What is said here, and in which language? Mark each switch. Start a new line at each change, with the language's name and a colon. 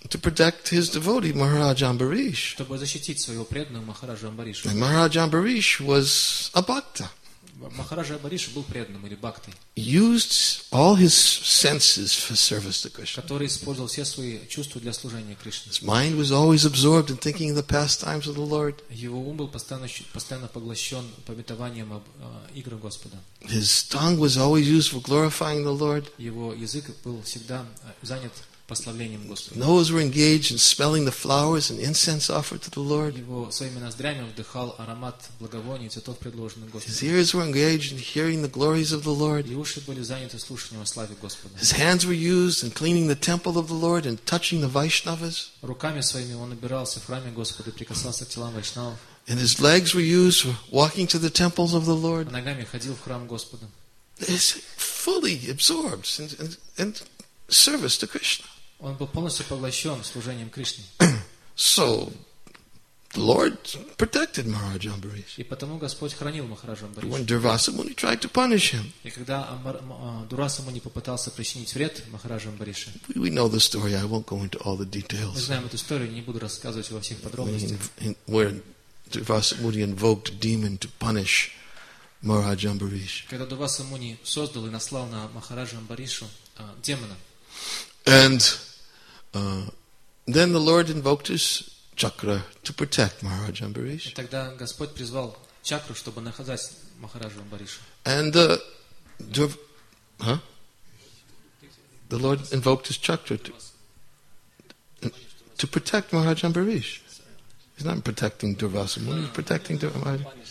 English: to protect his devotee Maharaj Ambarish,
Russian: чтобы защитить своего преданного Махараджа Амбариша.
English: And Maharaj Ambarish was a bhakta.
Russian: Махараджа Амбариша был преданным или бхактой.
English: Used all his senses for service to Krishna.
Russian: Который использовал все свои чувства для служения Кришне.
English: His mind was always absorbed in thinking of the pastimes of the Lord.
Russian: Его ум был постоянно поглощен памятованием об играх Господа.
English: His tongue was always used for glorifying the Lord.
Russian: Его язык был всегда занят прославлением Господа.
English: Nose were engaged in smelling the flowers and incense offered to the Lord.
Russian: Его своими ноздрями вдыхал аромат благовоний и цветов, предложенных Господу.
English: His ears were engaged in hearing the glories of the Lord.
Russian: Его уши были заняты слушанием о славе Господа.
English: His hands were used in cleaning the temple of the Lord and touching the Vaishnavas.
Russian: Руками своими он убирался в храме Господа и прикасался к телам вайшнавов.
English: And his legs were used for walking to the temples of the Lord.
Russian: Ногами ходил в храм Господа.
English: He's fully absorbed and service to Krishna.
Russian: Он был полностью поглощен служением Кришне.
English: So, the Lord protected Maharaj Ambarish.
Russian: И потому Господь хранил Махараджа Амбариша.
English: When Durvasa Muni tried to punish him.
Russian: И когда Дурваса Муни попытался причинить вред Махараджа Амбариша.
English: We know the story. I won't go into all the details.
Russian: Мы знаем эту историю, не буду рассказывать во всех подробностях.
English: Where Durvasa Muni invoked a demon to punish Maharaj Ambarish.
Russian: Когда Дурваса Муни создал и наслал на Махараджа Амбаришу демона.
English: And then the Lord invoked his chakra to protect Maharaj Ambarish.
Russian: Тогда Господь призвал чакру, чтобы наказать Махараджу Амбаришу.
English: And the Lord invoked his chakra to protect Maharaj Ambarish. He's not protecting Durvasa Muni, he's protecting Maharaj.